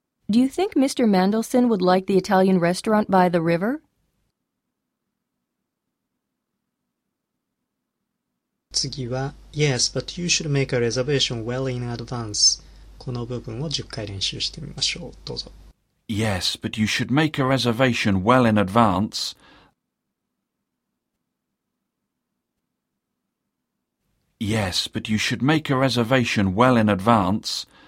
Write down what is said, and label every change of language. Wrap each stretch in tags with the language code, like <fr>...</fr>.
<en>Do you think Mr. Mendelssohn would like the Italian restaurant by the river?</en> <ja>次は、</ja> <en>Yes, but you should make a reservation well in advance.</en> <ja>この部分を10回練習してみましょう。どうぞ。</ja> <en>Yes, but you should make a reservation well in advance. Yes, but you should make a reservation well in advance.</en>